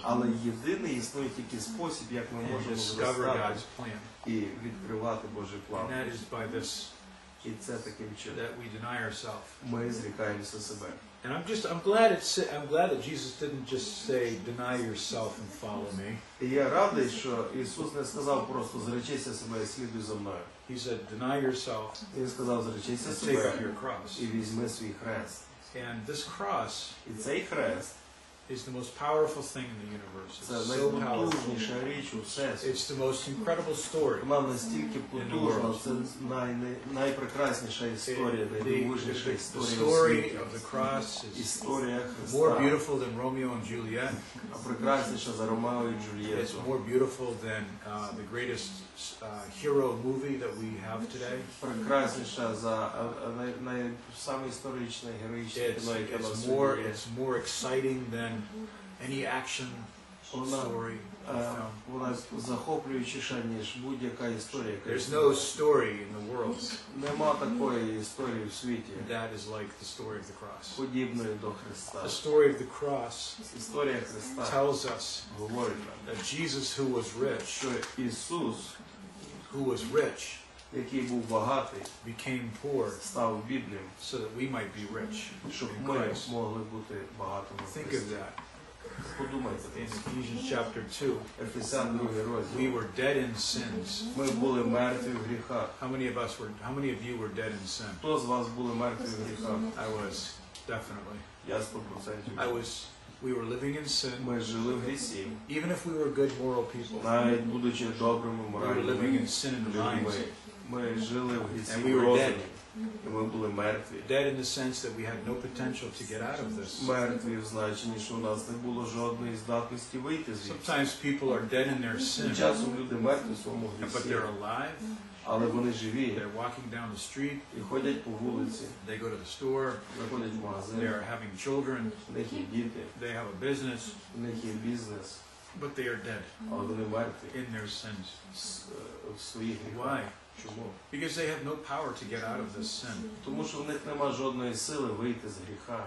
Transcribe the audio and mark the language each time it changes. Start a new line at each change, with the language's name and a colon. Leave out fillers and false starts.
English: And discover God's plan. And that is by this.
Ukrainian: І це таким чином.
English: That we deny ourselves.
Ukrainian: Ми зрікаємося себе.
English: And I'm glad that Jesus didn't just say deny yourself and follow me.
Ukrainian: І я радий, що Ісус не сказав просто зречися себе і слідуй за мною.
English: He said deny yourself.
Ukrainian: Він сказав зречися себе.
English: Take up your cross.
Ukrainian: І візьми свій хрест.
English: And this cross.
Ukrainian: І цей хрест.
English: Is the most powerful thing in the universe.
Ukrainian: Це найпотужніша річ у всесвіті.
English: It's the most incredible story.
Ukrainian: Мав настільки потужно, це найпрекрасніша історія, найдивовижніша історія.
English: The story of the cross is more beautiful than Romeo and Juliet.
Ukrainian: А прекрасніша за Ромео і Джульєтту.
English: It's more beautiful than the greatest hero movie that we have today.
Ukrainian: Прекрасніша за найсамоісторичний героїчний кіно.
English: It's more exciting than any action story.
Ukrainian: Вона захоплюючіша, ніж будь-яка історія.
English: There's no story in the world.
Ukrainian: Нема такої історії в світі.
English: That is like the story of the cross.
Ukrainian: Подібною до Христа.
English: The story of the cross.
Ukrainian: Історія Христа.
English: Tells us.
Ukrainian: Говорить нам.
English: That Jesus, who was rich.
Ukrainian: Що Ісус,
English: who was rich,
Ukrainian: який був багатий,
English: became poor,
Ukrainian: став бідним,
English: so that we might be rich,
Ukrainian: щоб ми могли бути багатими.
English: Think of that.
Ukrainian: Подумайте.
English: In Ephesians chapter 2,
Ukrainian: Ефесян 2 розділ,
English: we were dead in sins.
Ukrainian: Ми були мертві в гріхах.
English: How many of you were dead in sin?
Ukrainian: Хто з вас були мертві в гріхах?
English: I was, definitely.
Ukrainian: Я 100%.
English: We were living in sin.
Ukrainian: Ми жили в гріхі.
English: Even if we were good moral people.
Ukrainian: Навіть будучи добрими моральними людьми. Ми жили в гріхі.
English: And we were dead.
Ukrainian: І ми були мертві.
English: Dead in the sense that we had no potential to get out of this.
Ukrainian: Мертві в значенні, що у нас не було жодної здатності вийти звідси.
English: Sometimes people are dead in their sin.
Ukrainian: Часом люди мертві в своєму гріхі.
English: But they're alive.
Ukrainian: Але вони живі.
English: They're walking down the street.
Ukrainian: І ходять по вулиці.
English: They go to the store.
Ukrainian: Заходять в магазин.
English: They are having children.
Ukrainian: У них є діти.
English: They have a business.
Ukrainian: У них є бізнес.
English: But they are dead.
Ukrainian: Але вони мертві.
English: In their sins.
Ukrainian: В своїх гріхах.
English: Why?
Ukrainian: Чому?
English: Because they have no power to get out of this sin.
Ukrainian: Тому що в них немає жодної сили вийти з гріха.